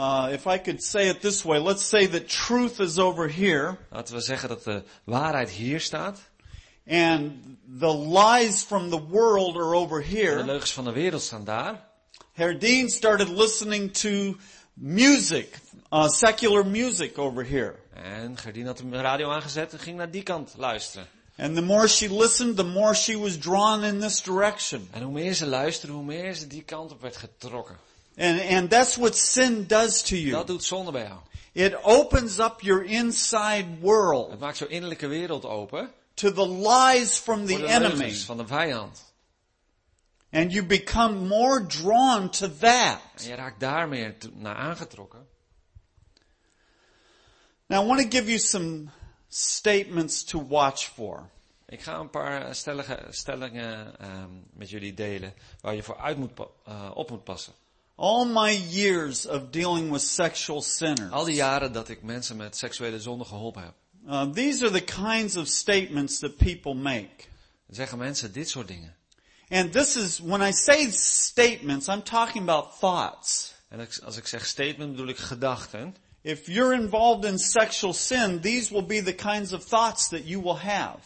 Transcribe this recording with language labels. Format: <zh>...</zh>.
<en>If I could say it this way, let's say that truth is over here.</en> <nl>Laten we zeggen dat de waarheid hier staat.</nl> <en>And the lies from the world are over here.</en> <nl>En de leugens van de wereld staan daar.</nl> <en>Herr Dean started listening to music, secular music over here.</en> <nl>En Gerdien had de radio aangezet en ging naar die kant luisteren.</nl> <en>And the more she listened, the more she was drawn in this direction.</en> <nl>En hoe meer ze luisterde, hoe meer ze die kant op werd getrokken.</nl> <en>And that's what sin does to you.</en> <nl>Dat doet zonde bij jou.</nl> <en>It opens up your inside world.</en> <nl>Het maakt jouw innerlijke wereld open.</nl> <en>To the lies from the enemy.</en> <nl>Voor de leugens van de vijand.</nl> <en>And you become more drawn to that.</en> <nl>En je raakt daar meer naar aangetrokken.</nl> <en>Now I want to give you some statements to watch for.</en> <nl>Ik ga een paar stellingen met jullie delen waar je voor uit moet op moet passen.</nl> <en>All my years of dealing with sexual sinners.</en> <nl>Al die jaren dat ik mensen met seksuele zonde geholpen heb.</nl> <en>These are the kinds of statements that people make.</en> <nl>Zeggen mensen dit soort dingen.</nl> <en>And this is when I say statements, I'm talking about thoughts.</en> <nl>En als ik zeg statement bedoel ik gedachten.</nl> <en>If you're involved in sexual sin, these will be the kinds of thoughts that you will have.</en>